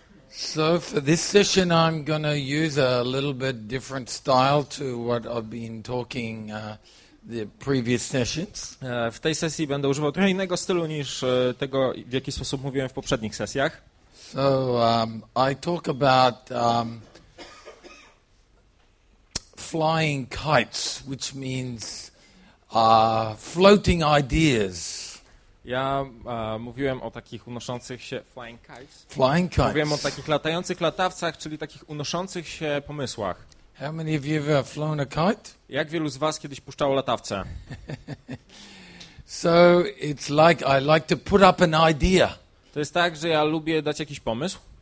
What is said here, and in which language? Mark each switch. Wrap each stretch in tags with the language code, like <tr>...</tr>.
<en>So for this session, I'm gonna use a little bit different style to what I've been talking the previous sessions.</en> <pl>W tej sesji będę używał trochę innego stylu niż tego, w jaki sposób mówiłem w poprzednich sesjach.</pl> <en>So I talk about flying kites, which means floating ideas.</en> <pl>Ja mówiłem o takich unoszących się</pl> <en>flying kites. Flying kites.</en> <pl>Mówiłem o takich latających latawcach, czyli takich unoszących się pomysłach.</pl> <en>How many of you have flown a kite?</en> <pl>Jak wielu z was kiedyś puszczało latawce?</pl> <en>So it's like I like to put up an idea.</en> <pl>To jest tak, że ja lubię dać jakiś pomysł.</pl>